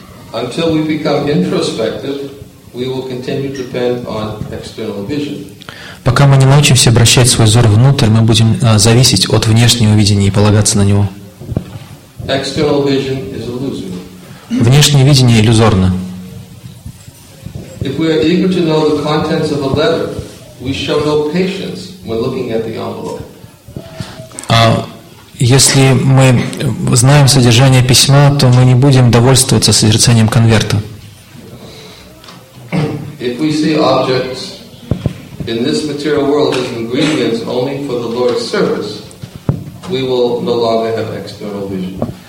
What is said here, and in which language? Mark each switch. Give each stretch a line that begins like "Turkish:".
English: Until we become introspective, we will continue to depend on external vision.
Russian: Пока мы не научимся обращать свой взор внутрь, мы будем зависеть от внешнего видения и полагаться на него.
English: External vision is illusory.
Russian: Внешнее видение иллюзорно.
English: If we are eager to know the contents of a letter, we show no patience when looking at the envelope.
Russian: Если мы знаем содержание письма, то мы не будем довольствоваться созерцанием конверта.
English: If we see objects in this material world as ingredients only for the Lord's service, we will no longer have external vision.